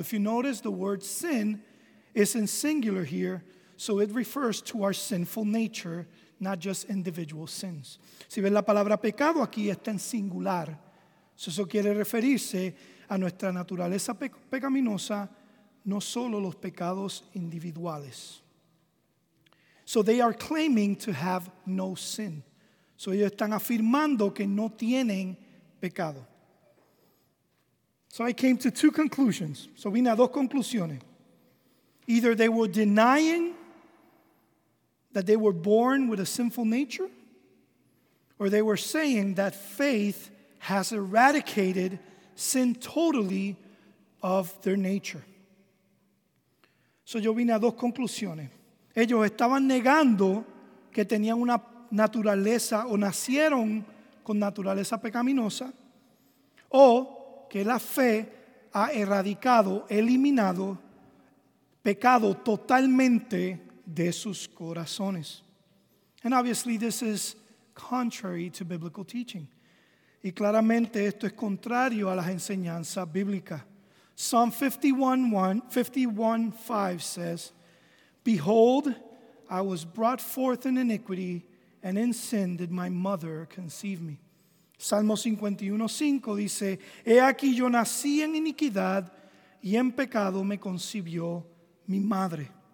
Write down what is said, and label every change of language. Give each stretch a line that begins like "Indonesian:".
English: If you notice, the word sin is in singular here, so it refers to our sinful nature, not just individual sins.
Spanish: Si ves la palabra pecado aquí, está en singular. Eso quiere referirse a nuestra naturaleza pecaminosa, no solo los pecados individuales.
English: So they are claiming to have no sin.
Spanish: So ellos están afirmando que no tienen pecado.
English: So I came to two conclusions. So
Spanish: vine a dos conclusiones.
English: Either they were denying that they were born with a sinful nature, or they were saying that faith has eradicated sin totally of their nature.
Spanish: So yo vine a dos conclusiones. Ellos estaban negando que tenían una naturaleza o nacieron con naturaleza pecaminosa, o que la fe ha erradicado, eliminado pecado totalmente de sus corazones.
English: And obviously this is contrary to biblical teaching.
Spanish: Y claramente esto es contrario a las enseñanzas bíblicas.
English: Psalm 51:5 says, behold, I was brought forth in iniquity, and in sin did my mother conceive me.
Spanish: Salmo 51:5 dice, he aquí yo nací en iniquidad, y en pecado me concibió mi madre.